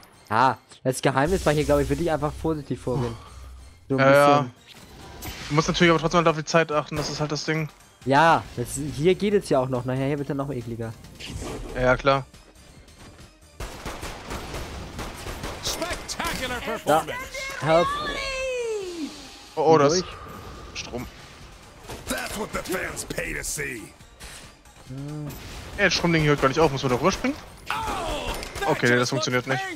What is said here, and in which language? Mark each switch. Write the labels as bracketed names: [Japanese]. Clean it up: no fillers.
[German] Ja, das Geheimnis war hier, glaube ich, wirklich einfach vorsichtig vorgehen. Puh. So ja, du musst natürlich aber trotzdem halt auf die Zeit achten, das ist halt das Ding. Ja, das, hier geht es ja auch noch, nachher hier wird es noch ekliger. Ja, klar. [English] Spectacular performance. Help. [German] Oh, das ist Strom. [English] That's what the fans pay to see. [German] Ja, das Stromding hört gar nicht auf, muss man da rüber springen? Okay, nee, das funktioniert nicht.